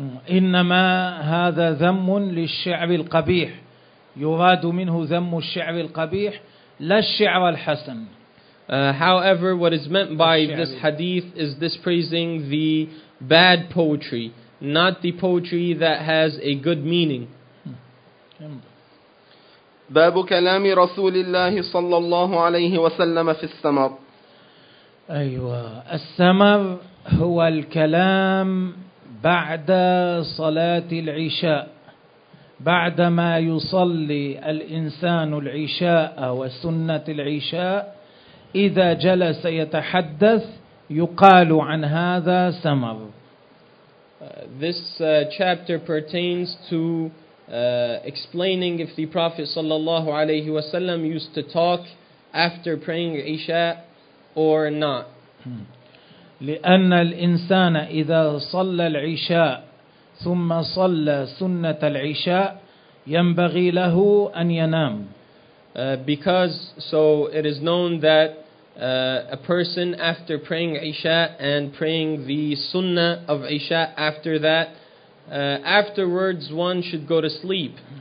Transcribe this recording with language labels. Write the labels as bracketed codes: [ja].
[ar] إنما هذا ذم للشعر القبيح. يراد منه ذم الشعر القبيح لا الشعر الحسن. [en] However, what is meant by this hadith is dispraising the bad poetry, not the poetry that has a good meaning. [ar] باب كلام رسول الله صلى الله عليه وسلم في السمر. أيوة، السمر هو الكلام بعد صلاة العشاء. بعدما يصلي الإنسان العشاء وسنة العشاء إذا جلس يتحدث يقال عن هذا سمر. [en] This chapter pertains to explaining if the Prophet [ar] صلى الله عليه وسلم [en] used to talk after praying عشاء or not. [ar] لأن الإنسان إذا صلى العشاء ثم صلى سنة العشاء ينبغي له أن ينام. [en] because it is known that a person after praying Isha and praying the Sunnah of Isha after that, afterwards one should go to sleep.